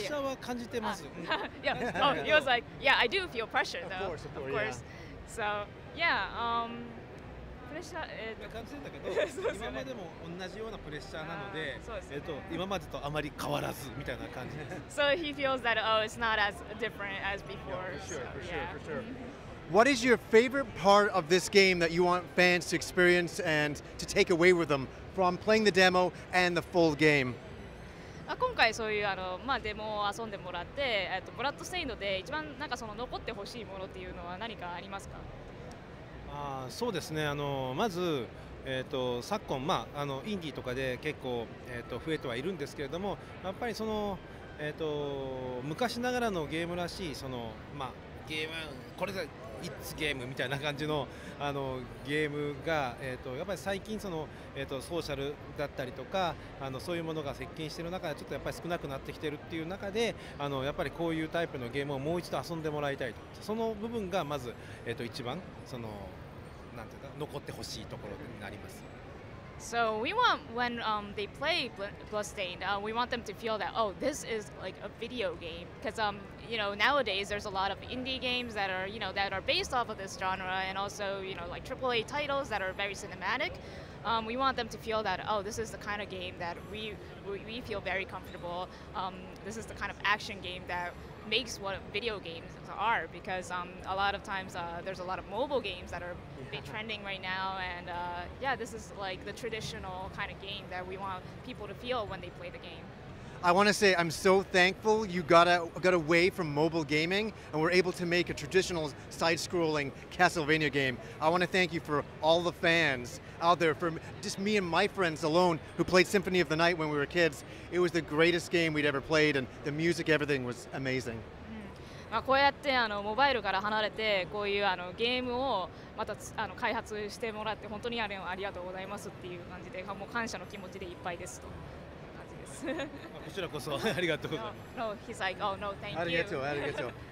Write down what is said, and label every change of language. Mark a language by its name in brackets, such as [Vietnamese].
[Japanese] プレッシャーは感じてます。 [English] Yeah, oh, he was like, yeah, I do feel pressure though. Of course. Yeah. So, yeah, [Japanese] プレッシャー、感じてんだけど、今までも同じようなプレッシャーなので、今までとあまり変わらずみたいな感じです。 [English] So he feels that, oh, it's not as different as before. Yeah, for sure. What is your favorite part of this game that you want fans to experience and to take away with them? From playing the demo and the full game. [Japanese] 今回そういうあの、まあ、デモを遊んでもらって、Bloodstained で一番なんかその残ってほしいものっていうのは何かありますか？あ、そうですね。あのまず、昨今、まあ、あのインディーとかで結構、増えてはいるんですけれども、やっぱりその、昔ながらのゲームらしいその、まあ、ゲームこれがイッツゲームみたいな感じ の, あのゲームが、やっぱり最近その、ソーシャルだったりとかあのそういうものが接近している中でちょっとやっぱり少なくなってきているっていう中であのやっぱりこういうタイプのゲームをもう一度遊んでもらいたいとその部分がまず、一番そのなんていうか残ってほしいところになります [English] So we want when、they play Bloodstained、we want them to feel that oh this is like a video game because、you know, nowadays there's a lot of indie games that are, you know, that are based off of this genre and also, you know, like AAA titles that are very cinematic. We want them to feel that, oh, this is the kind of game that we feel very comfortable. This is the kind of action game that makes what video games are because a lot of times there's a lot of mobile games that are trending right now. And yeah, this is like the traditional kind of game that we want people to feel when they play the game. I want to say I'm so thankful you got away from mobile gaming and were able to make a traditional side-scrolling Castlevania game. I want to thank you for all the fans out there, for just me and my friends alone who played Symphony of the Night when we were kids. It was the greatest game we'd ever played and the music, everything was amazing. [Japanese] まあ、こうやってあのモバイルから離れてこういうあのゲームをまたあの開発してもらって本当にありがとうございますっていう感じでもう感謝の気持ちでいっぱいですと。こちらこそありがとうございます。 [English] No, he's like, oh no, thank you. [Japanese] ありがとう、ありがとう。